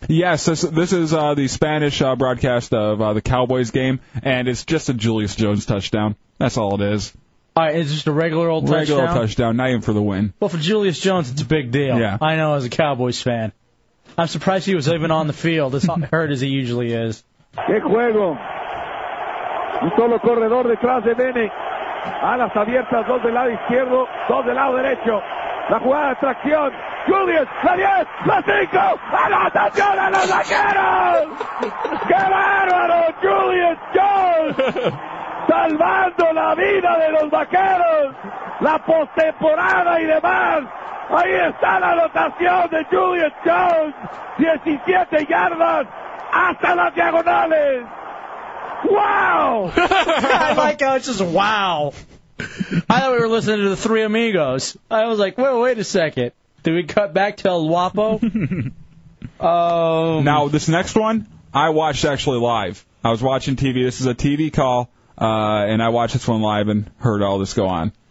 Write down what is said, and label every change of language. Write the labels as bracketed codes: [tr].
[en] Yes, this is the Spanish broadcast of the Cowboys game, and it's just a Julius Jones touchdown. That's all it is. All right, it's just a regular old touchdown? Regular touchdown, not even for the win. Well, for Julius Jones, it's a big deal. Yeah. I know, as a Cowboys fan. I'm surprised he was even on the field as hurt as he usually is. [es] ¡Qué juego! Un solo corredor detrás de Bene. Alas abiertas, dos del lado izquierdo, dos del lado derecho. La jugada de tracción. Julius, la 10, la 5. ¡Anotación a los arqueros! ¡Qué bárbaro, Julius Jones! Salvando la vida de los vaqueros, la postemporada y demás. Ahí está la anotación de Julius Jones, 17 yardas hasta las diagonales. [en] Wow! I like how it's just wow. I thought we were listening to the Three Amigos. I was like, well, wait a second. Did we cut back to El Wapo? Now this next one, I watched actually live. I was watching TV. This is a TV call. And I watched this one live and heard all this go on.